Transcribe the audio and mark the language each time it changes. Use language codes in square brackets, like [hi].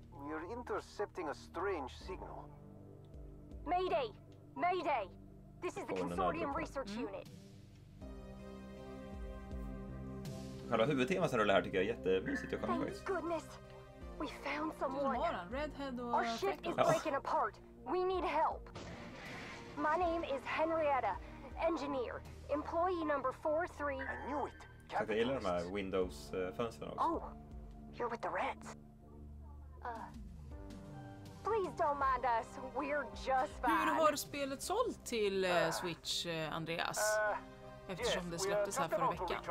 [en] You're intercepting a strange signal. Mayday! Mayday! This is the Consortium Research Unit. [sv] Själva huvudtemat som rullar här tycker jag är jättemysigt och skönt. [en] Thank goodness! We found someone! [sv] Du, Redhead och... [en] Our ship is breaking apart. We need help. My name is Henrietta, engineer. Employee number 43. I knew it! [sv] Jag gillar de här Windows-fönstren också. [en] Oh! You're with the Reds. Please don't mind us. We're just fine. [sv] Hur har spelet sålt till Switch, Andreas? Eftersom det släpptes här förra veckan.